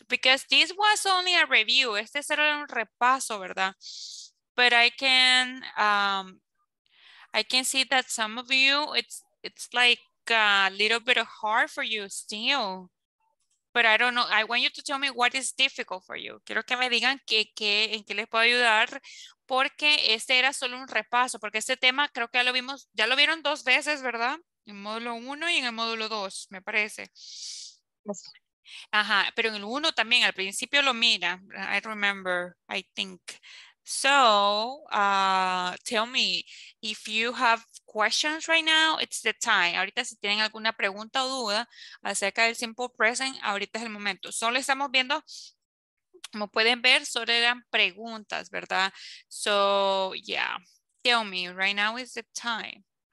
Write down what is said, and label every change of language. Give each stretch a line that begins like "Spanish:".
English: Because this was only a review.
Spanish: Este será un repaso, ¿verdad?
English: But I can see that some of you, it's like a little bit hard for you still. But I don't know, I want you to tell me what is difficult for you.
Spanish: Quiero que me digan en qué les puedo ayudar, porque este era solo un repaso, porque este tema creo que ya lo vieron dos veces, ¿verdad? En módulo 1 y en el módulo 2, me parece. Ajá, pero en el 1 también, al principio lo mira.
English: I remember, I think. So tell me if you have questions right now, it's the time.
Spanish: Ahorita si tienen alguna pregunta o duda acerca del simple present, ahorita es el momento. Solo estamos viendo, como pueden ver, solo eran preguntas, ¿verdad?
English: So yeah, tell me, right now is the time.